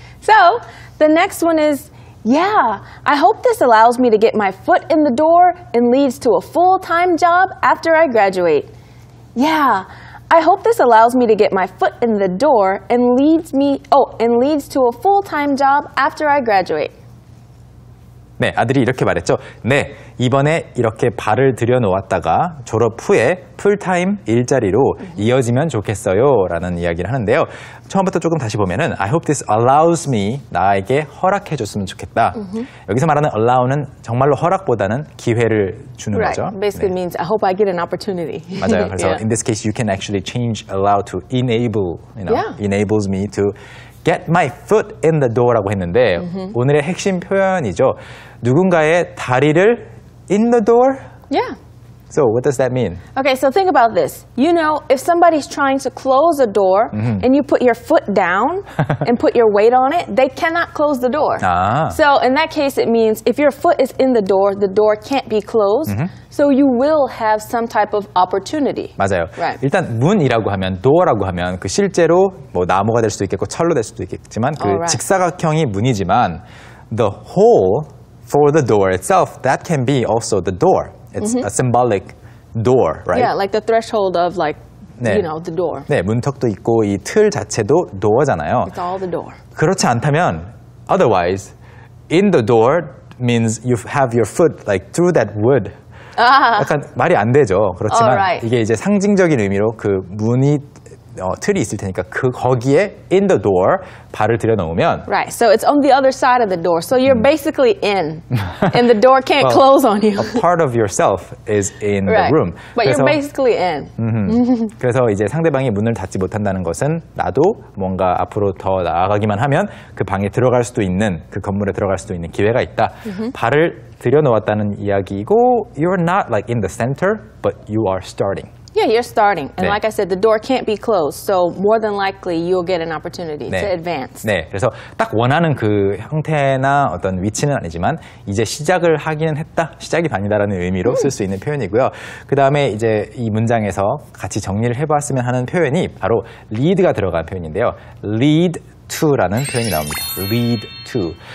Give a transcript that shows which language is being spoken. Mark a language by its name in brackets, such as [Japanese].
[English] So the next one is Yeah, I hope this allows me to get my foot in the door and leads to a full-time job after I graduate. Yeah. I hope this allows me to get my foot in the door and leads me, and leads to a full-time job after I graduate. [Korean] 네, 아들이 이렇게 말했죠. 네, 이번에 이렇게 발을 들여놓았다가 졸업 후에 풀타임 일자리로 이어지면 좋겠어요. 라는 이야기를 하는데요. 처음부터 조금 다시 보면은 [English] I hope this allows me, [Korean] 나에게 허락해 줬으면 좋겠다. [English] Mm-hmm. [Korean] 여기서 말하는 allow는 정말로 허락보다는 기회를 주는 [English] right. [Korean] 거죠. [English] Basically 네. means I hope I get an opportunity. [Korean] 맞아요. [English] 그래서 yeah. in this case you can actually change allow to enable, you know, yeah. enables me to get my foot in the door라고 했는데 mm-hmm. [Korean] 오늘의 핵심 표현이죠. 누군가의 다리를 in the door? [English] Yeah. So what does that mean? Okay, so think about this. You know, if somebody's trying to close a door mm-hmm. and you put your foot down and put your weight on it, they cannot close the door. Ah. So in that case, it means if your foot is in the door can't be closed. Mm-hmm. So you will have some type of opportunity. [Korean] 맞아요. [English] Right. [Korean] 일단 문이라고 하면, door라고 하면 그 실제로 뭐 나무가 될 수도 있겠고 철로 될 수도 있겠지만 그 [English] right. [Korean] 직사각형이 문이지만 [English] the hole for the door itself, that can be also the door. It's mm-hmm. a symbolic door, right? Yeah, like the threshold of like, 네. you know, the door. [Korean] 네, 문턱도 있고 이 틀 자체도 door잖아요. [English] It's all the door. [Korean] 그렇지 않다면, [English] otherwise, in the door means you have your foot like through that wood. [Korean] 약간 말이 안 되죠. 그렇지만 [English] right. [Korean] 이게 이제 상징적인 의미로 그 문이 틀이 있을 테니까 그 거기에 in the door 발을 들여놓으면 [English] right, so it's on the other side of the door. So you're basically in, and the door can't well, close on you. A part of yourself is in right. the room. But 그래서, you're basically in. [Korean] 그래서 이제 상대방이 문을 닫지 못한다는 것은 나도 뭔가 앞으로 더 나아가기만 하면 그 방에 들어갈 수도 있는 그 건물에 들어갈 수도 있는 기회가 있다. 발을 들여놓았다는 이야기이고 [English] you're not like in the center, but you are starting. Yeah, you're starting. And 네. like I said, the door can't be closed. So more than likely, you'll get an opportunity 네. to advance. [Korean] 네, 그래서 딱 원하는 그 형태나 어떤 위치는 아니지만 이제 시작을 하기는 했다, 시작이 반이다라는 의미로 쓸 수 있는 표현이고요. 그 다음에 이제 이 문장에서 같이 정리를 해봤으면 하는 표현이 바로 lead가 들어간 표현인데요. lead to라는 표현이 나옵니다. lead to.